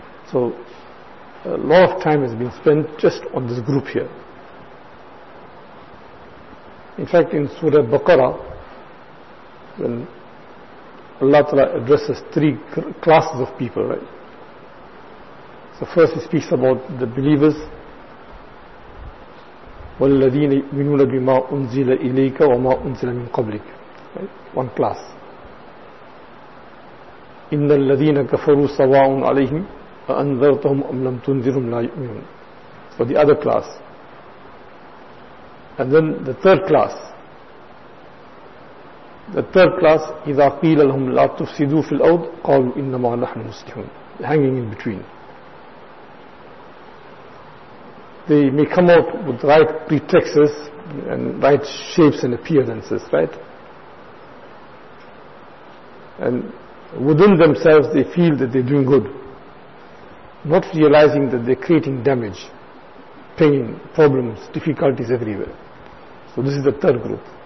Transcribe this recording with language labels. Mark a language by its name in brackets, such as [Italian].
[English] So a lot of time has been spent just on this group here. In fact, in Surah Baqarah, when Allah Ta'ala addresses three classes of people, right? So first He speaks about the believers, [Arabic] وَالَّذِينَ يُؤْمِنُونَ بِمَا أُنزِلَ إِلَيْكَ وَمَا أُنزِلَ مِنْ قَبْلِكَ, [English] right? One class. [Arabic] إِنَّ الَّذِينَ كَفَرُوا سَوَاءٌ عَلَيْهِمْ أَأَنذَرْتَهُمْ أَمْ لَمْ تُنذِرْهُمْ لَا يُؤْمِنُونَ. [English] So the other class. And then the third class. The third class, [Arabic] إِذَا قِيلَ لَهُمْ لَا تُفْسِدُوا فِي الْأَرْضِ قَالُوا إِنَّمَا نَحْنُ مُسْلِحُونَ. [English] Hanging in between. They may come out with right pretexts and right shapes and appearances, right? And within themselves they feel that they're doing good, not realizing that they're creating damage, pain, problems, difficulties everywhere. So this is the third group.